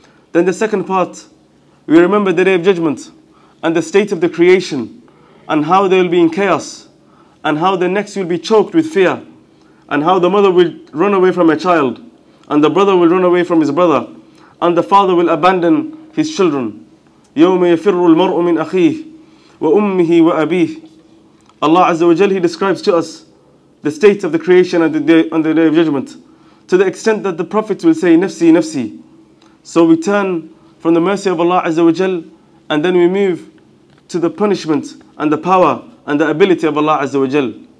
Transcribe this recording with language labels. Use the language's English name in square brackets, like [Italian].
[English] Then the second part, we remember the day of judgment and the state of the creation and how they will be in chaos, and how the next will be choked with fear, and how the mother will run away from her child, and the brother will run away from his brother, and the father will abandon his children. [Arabic] يوم يفر المرء من أخيه وأمه وأبيه. [English] Allah Azza wa Jal, He describes to us the state of the creation on the day of judgment, to the extent that the prophets will say, "Nafsi, nafsi." So we turn from the mercy of Allah Azza wa Jal, and then we move to the punishment and the power and the ability of Allah Azza wa Jal.